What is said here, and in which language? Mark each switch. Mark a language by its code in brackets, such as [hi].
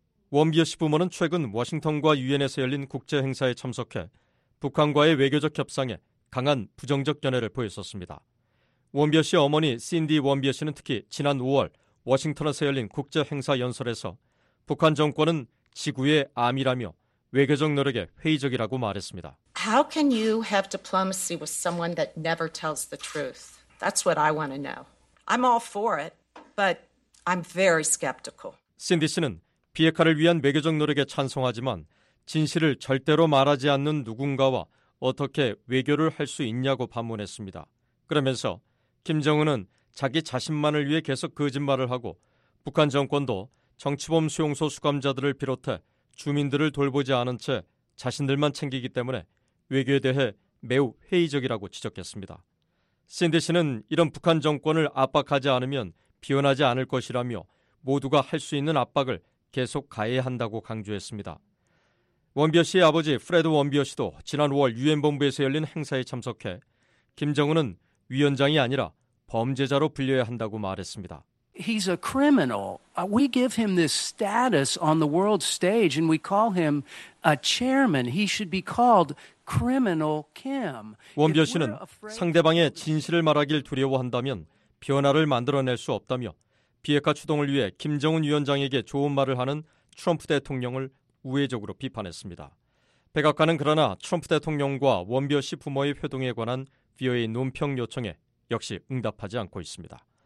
[ko] 원비어 씨 부모는 최근 워싱턴과 유엔에서 열린 국제 행사에 참석해 북한과의 외교적 협상에 강한 부정적 견해를 보였었습니다. 원비어 씨 어머니 신디 원비어 씨는 특히 지난 5월 워싱턴에서 열린 국제 행사 연설에서 북한 정권은 지구의 암이라며 외교적 노력에 회의적이라고 말했습니다. [en] How can you have diplomacy with someone that never tells the truth? That's what I want to know. I'm all for it, but I'm very skeptical. [ko] 신디 씨는 비핵화를 위한 외교적 노력에 찬성하지만 진실을 절대로 말하지 않는 누군가와 어떻게 외교를 할 수 있냐고 반문했습니다. 그러면서 김정은은 자기 자신만을 위해 계속 거짓말을 하고 북한 정권도 정치범 수용소 수감자들을 비롯해 주민들을 돌보지 않은 채 자신들만 챙기기 때문에 외교에 대해 매우 회의적이라고 지적했습니다. 신디 씨는 이런 북한 정권을 압박하지 않으면 비워나지 않을 것이라며 모두가 할 수 있는 압박을 계속 가해야 한다고 강조했습니다. 원비어 씨의 아버지 프레드 원비어 씨도 지난 5월 유엔 본부에서 열린 행사에 참석해 김정은은 위원장이 아니라 범죄자로 불려야 한다고 말했습니다. [en] He's a criminal. We give him this status on the world stage and we call him a chairman. He should be called criminal Kim. [ko] 원비어 씨는 상대방의 진실을 말하길 두려워한다면 변화를 만들어낼 수 없다며 비핵화 추동을 위해 김정은 위원장에게 좋은 말을 하는 트럼프 대통령을 우회적으로 비판했습니다. 백악관은 그러나 트럼프 대통령과 원비어 씨 부모의 회동에 관한 VOA 논평 요청에 역시 응답하지 않고 있습니다.